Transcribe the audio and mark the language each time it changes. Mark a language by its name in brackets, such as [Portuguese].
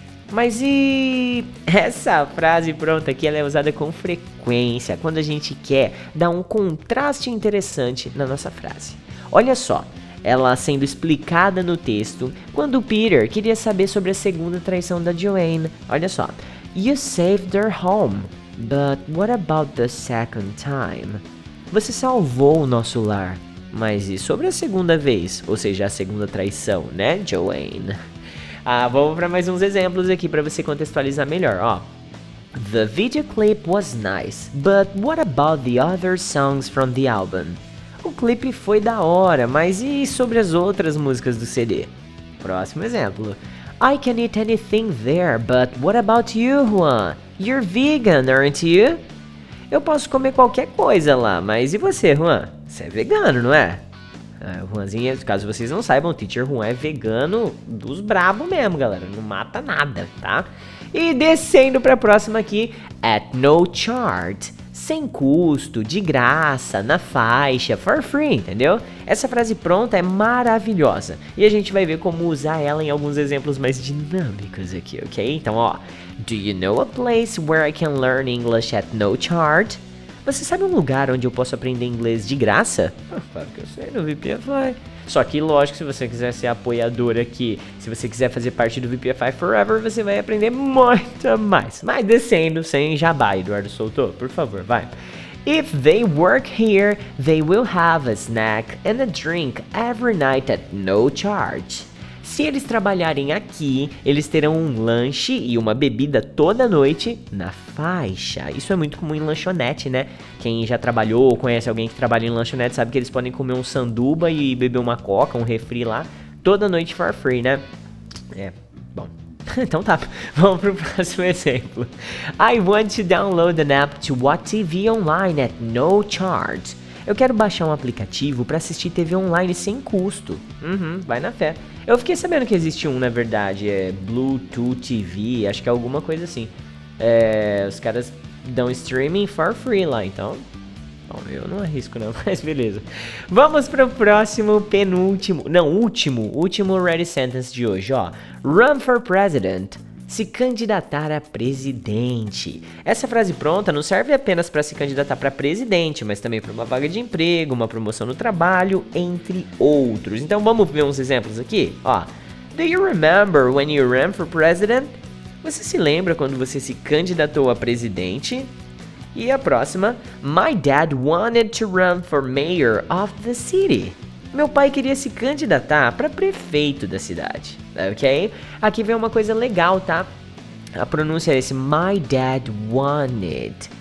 [Portuguese] Mas e... Essa frase pronta aqui, ela é usada com frequência quando a gente quer dar um contraste interessante na nossa frase. Olha só. Ela sendo explicada no texto, quando Peter queria saber sobre a segunda traição da Joanne. Olha só. [English] You saved their home, but what about the second time? [Portuguese] Você salvou o nosso lar, mas e sobre a segunda vez? Ou seja, a segunda traição, né, Joanne? Ah, vamos para mais uns exemplos aqui para você contextualizar melhor, ó. [English] The video clip was nice, but what about the other songs from the album? [Portuguese] O clipe foi da hora, mas e sobre as outras músicas do CD? Próximo exemplo. [English] I can eat anything there, but what about you, Juan? You're vegan, aren't you? [Portuguese] Eu posso comer qualquer coisa lá, mas e você, Juan? Você é vegano, não é? Juanzinho, caso vocês não saibam, o Teacher Juan é vegano dos brabo mesmo, galera. Não mata nada, tá? E descendo pra próxima aqui. [English] At no charge. [Portuguese] Sem custo, de graça, na faixa, for free, entendeu? Essa frase pronta é maravilhosa. E a gente vai ver como usar ela em alguns exemplos mais dinâmicos aqui, ok? Então, ó. [English] Do you know a place where I can learn English at no charge? [Portuguese] Você sabe um lugar onde eu posso aprender inglês de graça? Claro que eu sei, no VPFI. Só que, lógico, se você quiser ser apoiador aqui, se você quiser fazer parte do VPFI Forever, você vai aprender muito mais. Mas descendo, sem jabá, Eduardo soltou, por favor, vai. [English] If they work here, they will have a snack and a drink every night at no charge. [Portuguese] Se eles trabalharem aqui, eles terão um lanche e uma bebida toda noite na faixa. Isso é muito comum em lanchonete, né? Quem já trabalhou ou conhece alguém que trabalha em lanchonete sabe que eles podem comer um sanduba e beber uma coca, um refri lá, toda noite for free, né? É, bom, Então tá, vamos pro próximo exemplo. [English] I want to download an app to watch TV online at no charge. [Portuguese] Eu quero baixar um aplicativo pra assistir TV online sem custo. Uhum, vai na fé. Eu fiquei sabendo que existe um, na verdade, é Bluetooth TV, acho que é alguma coisa assim. É, os caras dão streaming for free lá, então... Bom, eu não arrisco não, mas beleza. Vamos pro próximo, penúltimo... Não, último, último ready sentence de hoje, ó. [English] Run for president. [Portuguese] Se candidatar a presidente. Essa frase pronta não serve apenas para se candidatar para presidente, mas também para uma vaga de emprego, uma promoção no trabalho, entre outros. Então vamos ver uns exemplos aqui? [English] Ó, do you remember when you ran for president? [Portuguese] Você se lembra quando você se candidatou a presidente? E a próxima, [English] my dad wanted to run for mayor of the city. [Portuguese] Meu pai queria se candidatar para prefeito da cidade, ok? Aqui vem uma coisa legal, tá? A pronúncia é esse, [English] my dad wanted.